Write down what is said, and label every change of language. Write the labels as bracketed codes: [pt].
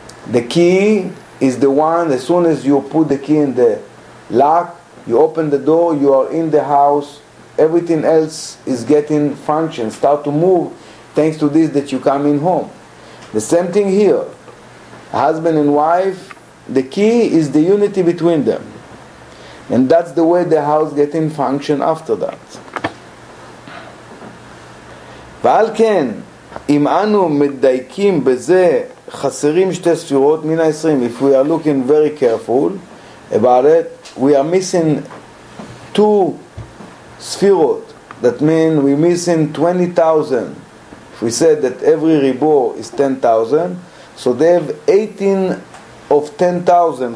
[en] The key is the one, as soon as you put the key in the lock, you open the door, you are in the house, everything else is getting function, start to move, thanks to this that you come in home. The same thing here. Husband and wife, the key is the unity between them. And that's the way the house gets in function after that. [he] ועל כן, אם אנו מדייקים בזה, חסרים שתי ספירות מן ה-20. [en] If we are looking very careful about it, we are missing two ספירות. That means we're missing 20,000. If we said that every ribo is 10,000, so they have 18 of 10,000.